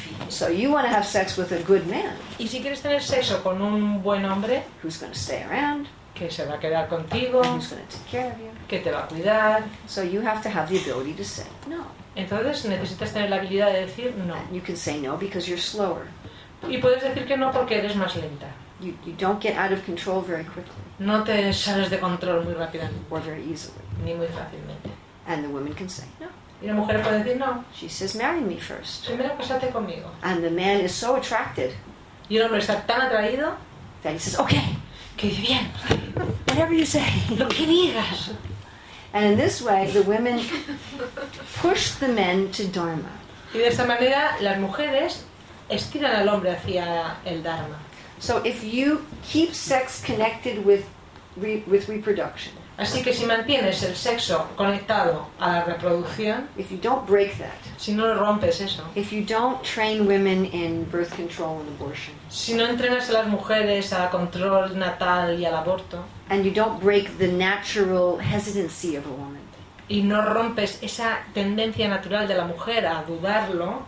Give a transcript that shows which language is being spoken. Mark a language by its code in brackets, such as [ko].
[en] So you want to have sex with a good man. [es] Y si quieres tener sexo con un buen hombre, [en] who's going to stay around? [es] Que se va a quedar contigo. [en] Who's going to take care of you? [es] Que te va a cuidar. [en] So you have to have the ability to say no. [es] Entonces necesitas tener la habilidad de decir no. [en] And you can say no because you're slower. [es] Y puedes decir que no porque eres más lenta. [en] You don't get out of control very quickly. [es] No te sales de control muy rápidamente. [en] Or very easily. [es] Ni muy fácilmente. [en] And the woman can say no. [es] Y la mujer puede decir no. [en] She says, marry me first. [es] Primero casate conmigo. [en] And the man is so attracted. [es] Y el hombre está tan atraído. [en] That he says, okay. [es] Que bien. [en] Whatever you say. [es] Lo que digas. [en] And in this way, the women push the men to Dharma. [es] Y de esta manera, las mujeres estiran al hombre hacia el Dharma. [en] So if you keep sex connected with reproduction. [es] Así que si mantienes el sexo conectado a la reproducción, [en] if you don't break that, [es] si no lo rompes eso, [en] if you don't train women in birth control and abortion, [es] si no entrenas a las mujeres a control natal y al aborto, [en] and you don't break the natural hesitancy of a woman, [es] y no rompes esa tendencia natural de la mujer a dudarlo,